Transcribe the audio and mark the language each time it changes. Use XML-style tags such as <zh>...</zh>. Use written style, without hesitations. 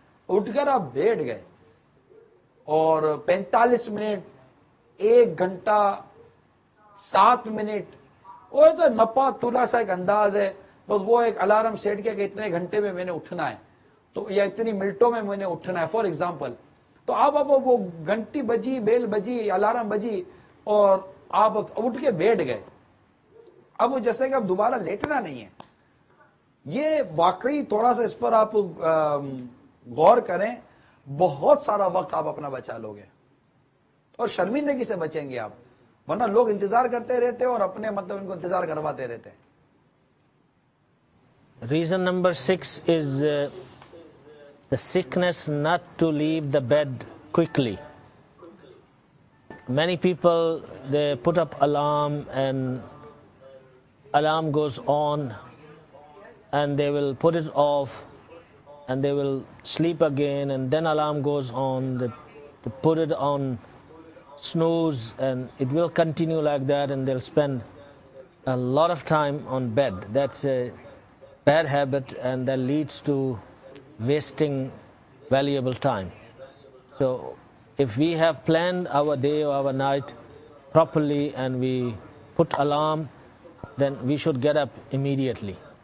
<ur>اٹھ کر آپ بیٹھ گئے اور 45 منٹ، 1 گھنٹہ، 7 منٹ، وہ تو نپا تلا سا ایک انداز ہے، بس وہ ایک الارم سیٹ کیا کہ اتنے گھنٹے میں نے اٹھنا ہے تو، یا اتنی منٹوں میں نے اٹھنا ہے فار ایگزامپل، تو آپ وہ گھنٹی بجی، بیل بجی، الارم بجی اور آپ اٹھ کے بیٹھ گئے، اب جیسے کہ اب دوبارہ لیٹنا نہیں ہے. یہ واقعی تھوڑا سا اس پر آپ غور کریں، بہت سارا وقت آپ اپنا بچا لو گے اور شرمندگی سے بچیں گے آپ، ورنہ لوگ انتظار کرتے رہتے ہیں اور اپنے مطلب ان کو انتظار کرواتے رہتے ہیں.</ur> <en>Reason number 6 is the sickness not to leave the bed quickly. Many people they put up alarm and alarm goes on and they will put it off and they will sleep again and then alarm goes on they put it on snooze and it will continue like that and they'll spend a lot of time on bed. That's a bad habit and that leads to wasting valuable time. So if we have planned our day or our night properly and we put alarm, then we should get up immediately.</en>